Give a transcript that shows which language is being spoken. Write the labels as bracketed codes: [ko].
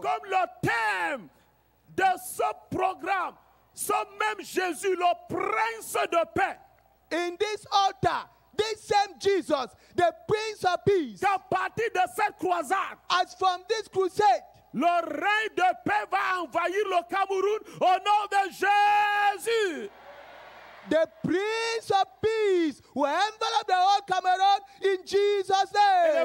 [fr] Et comme le thème de ce programme, ce même Jésus, le prince de paix. [en] In this altar, this same Jesus, the prince of peace. [fr] Qu'à partir de cette croisade. [en] As from this crusade. [fr] Le règne de paix va envahir le Cameroun au nom de Jésus. [en] The Prince of Peace will envelop the whole Cameroon in Jesus' name.